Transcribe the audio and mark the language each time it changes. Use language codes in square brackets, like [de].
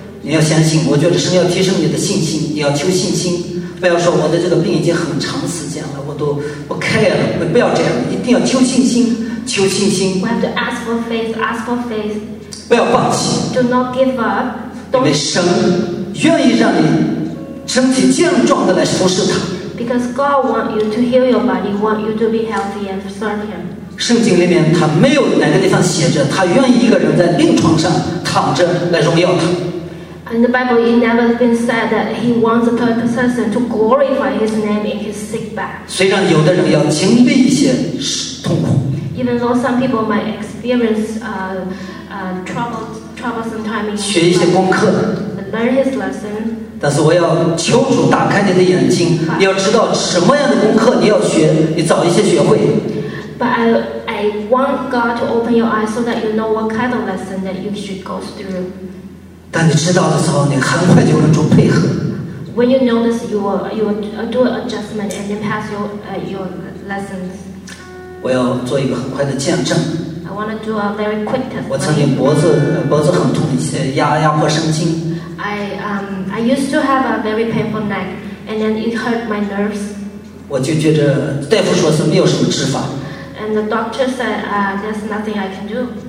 [zh] 你要相信，我觉得神要提升你的信心，你要求信心。不要说我的这个病已经很长时间了，我都不 care 了。不要这样，一定要求信心，求信心。 [en] We have to ask for faith, ask for faith. [zh] 不要放弃。 [en] Do not give up. [zh] 因为神愿意让你身体健壮的来服侍他。 [en] Because God wants you to heal your body, wants you to be healthy and serve Him. [zh] 圣经里面他没有哪个地方写着他愿意一个人在病床上躺着来荣耀他。 [en] In the Bible, it never been said that he wants a person to glorify his name in his sick bed. [zh] 虽然有的人要经历一些痛苦。 [en] Even though some people might experience troublesome time in his life. [zh] 学一些功课。 [en] Learn his lesson. [zh] 但是我要求主打开你的眼睛，你要知道什么样的功课你要学，你早一些学会。 [en] But I want God to open your eyes so that you know what kind of lesson that you should go through. [zh] 当你知道的时候，你很快就能做配合。 [en] When you know this, you will do adjustment and then pass your lessons. [zh] 我要做一个很快的见证。 [en] I want to do a very quick test. [zh] 我曾经脖子很痛，一些压迫神经。 [en] I used to have a very painful neck, and then it hurt my nerves. [zh] 我就觉着大夫说是没有什么治法。 [en] And the doctor said, there's nothing I can do.